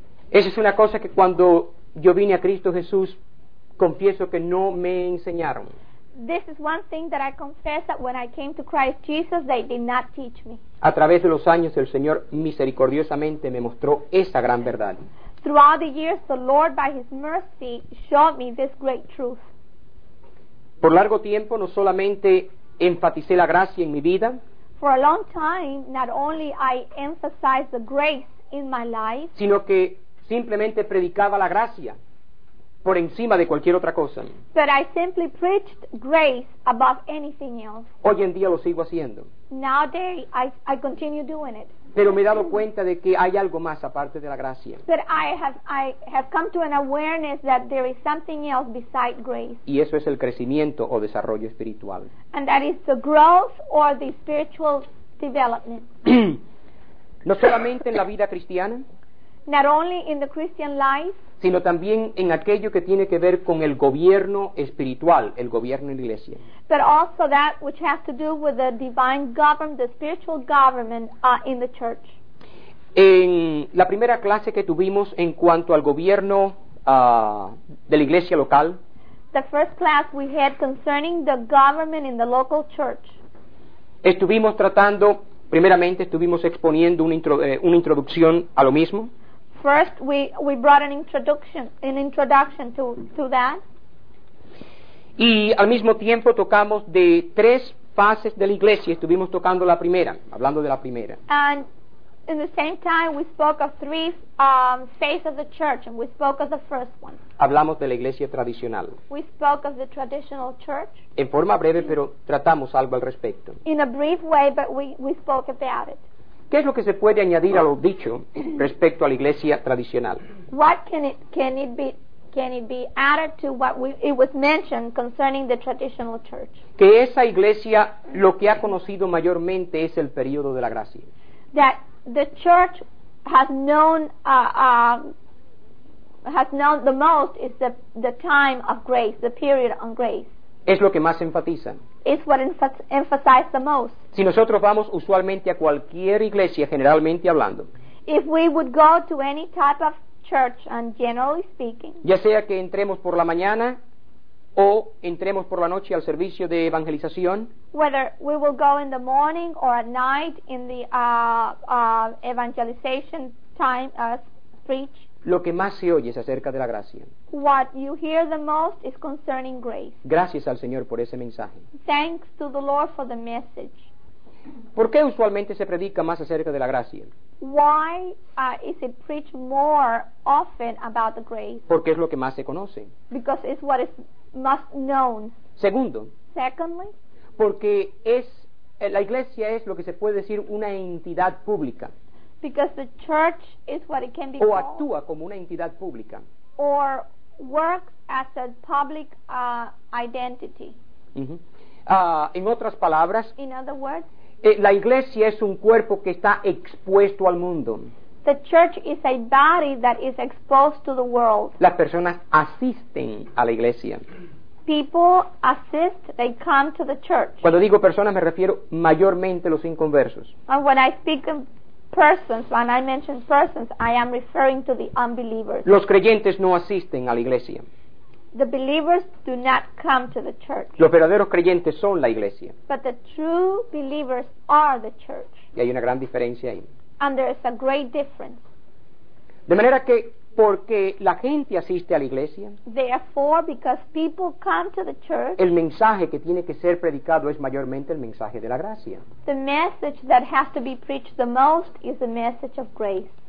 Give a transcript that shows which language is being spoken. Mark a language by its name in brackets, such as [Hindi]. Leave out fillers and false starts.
[Spanish] Esa es una cosa que cuando yo vine a Cristo Jesús, confieso que no me enseñaron. [English] This is one thing that I confess that when I came to Christ Jesus, they did not teach me. [Spanish] A través de los años, el Señor misericordiosamente me mostró esa gran verdad. [English] Throughout the years, the Lord, by His mercy, showed me this great truth. [Spanish] Por largo tiempo, no solamente enfaticé la gracia en mi vida. [English] For a long time, not only I emphasized the grace in my life, [Spanish] sino que simplemente predicaba la gracia por encima de cualquier otra cosa. [English] But I simply preached grace above anything else. [Spanish] Hoy en día lo sigo haciendo. [English] Nowadays, I continue doing it. [Spanish] Pero me he dado cuenta de que hay algo más aparte de la gracia. [English] But I have come to an awareness that there is something else besides grace. [Spanish] Y eso es el crecimiento o desarrollo espiritual. [English] And that is the growth or the spiritual development. [Spanish] No solamente en la vida cristiana, [English] not only in the Christian life, [Spanish] sino también en aquello que tiene que ver con el gobierno espiritual, el gobierno en la iglesia. [English] But also that which has to do with the divine government, the spiritual government in the church. [Spanish] En la primera clase que tuvimos en cuanto al gobierno de la iglesia local, [English] the first class we had concerning the government in the local church, [Spanish] estuvimos tratando, primeramente estuvimos exponiendo una introducción a lo mismo. [English] First, we brought an introduction to that. [Spanish] Y al mismo tiempo tocamos de tres fases de la iglesia. Estuvimos tocando la primera, hablando de la primera. [English] And in the same time, we spoke of three phases of the church, and we spoke of the first one. [Spanish] Hablamos de la iglesia tradicional. [English] We spoke of the traditional church. [Spanish] En forma breve, pero tratamos algo al respecto. [English] In a brief way, but we spoke about it. [Spanish] ¿Qué es lo que se puede añadir a lo dicho respecto a la iglesia tradicional? [English] What can it be added to what it was mentioned concerning the traditional church? [Spanish] Que esa iglesia lo que ha conocido mayormente es el período de la gracia. [English] That the church has known the most is the time of grace, the period on grace. [Spanish] Es lo que más enfatiza. [English] It's what emphasized the most. [Spanish] Si nosotros vamos usualmente a cualquier iglesia, generalmente hablando, [English] if we would go to any type of church, and generally speaking, [Spanish] ya sea que entremos por la mañana o entremos por la noche al servicio de evangelización, [English] whether we will go in the morning or at night in the evangelization time preach, [Spanish] lo que más se oye es acerca de la gracia. [English] What you hear the most is concerning grace. [Spanish] Gracias al Señor por ese mensaje. [English] Thanks to the Lord for the message. [Spanish] ¿Por qué usualmente se predica más acerca de la gracia? [English] Why is it preached more often about the grace? [Spanish] Porque es lo que más se conoce. [English] Because it's what is most known. [Spanish] Segundo. [English] Secondly. [Spanish] Porque es la iglesia es lo que se puede decir una entidad pública. [English] Because the church is what it can be [Spanish] o actúa [English] called, [Spanish] como una entidad pública. [English] Or works as a public identity. [Spanish] Uh-huh. En otras palabras, [English] in other words, [Spanish] la iglesia es un cuerpo que está expuesto al mundo. [English] The church is a body that is exposed to the world. [Spanish] Las personas asisten a la iglesia. [English] People assist, they come to the church. [Spanish] Cuando digo personas, me refiero mayormente a los inconversos. [English] And when I speak of persons, when I mention persons, I am referring to the unbelievers. [Spanish] Los creyentes no asisten a la iglesia. [English] The believers do not come to the church. [Spanish] Los verdaderos creyentes son la iglesia. [English] But the true believers are the church. [Spanish] Y hay una gran diferencia ahí. [English] And there is a great difference. [Spanish] De manera que porque la gente asiste a la iglesia, [English] therefore, because people come to the church, [Spanish] el mensaje que tiene que ser predicado es mayormente el mensaje de la gracia. [English] The message that has to be preached the most is the message of grace.